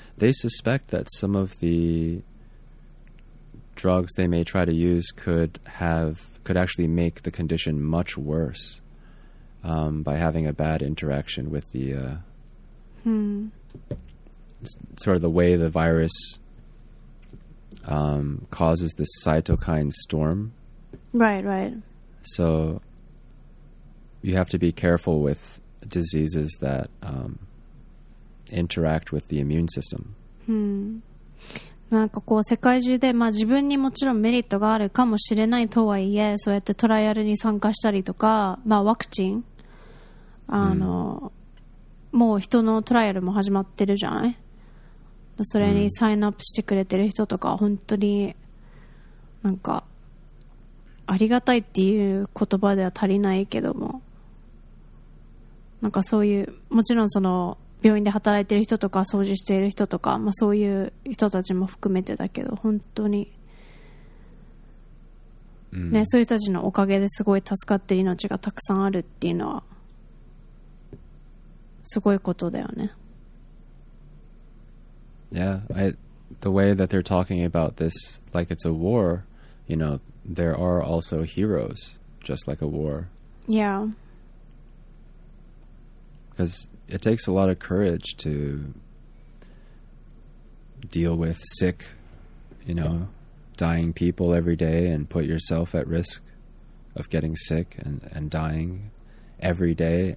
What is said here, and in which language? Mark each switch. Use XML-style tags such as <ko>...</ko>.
<en>They suspect that some of the drugs they may try to use could actually make the condition much worse by having a bad interaction with the sort of the way the virus causes this cytokine storm. Right, right. So you have to be careful with diseases that interact with the immune system.</en> <ja>なんかこう世界中で、まあ、自分にもちろんメリットがあるかもしれないとはいえ、そうやってトライアルに参加したりとか、まあ、ワクチン、もう人のトライアルも始まってるじゃない。それにサインアップしてくれてる人とか、本当になんかありがたいっていう言葉では足りないけども、なんかそういう、もちろんその病院で働いてる人とか掃除している人とか、まあ、そういう人たちも含めてだけど本当に、ね、そういう人たちのおかげですごい助かってる命がたくさんあるっていうのはすごいことだよね。</ja> <en>Yeah, the way that they're talking about this like it's a war, you know, there are also heroes just like a war. Yeah. Because it takes a lot of courage to deal with sick, you know, dying people every day and put yourself at risk of getting sick and dying every day.</en>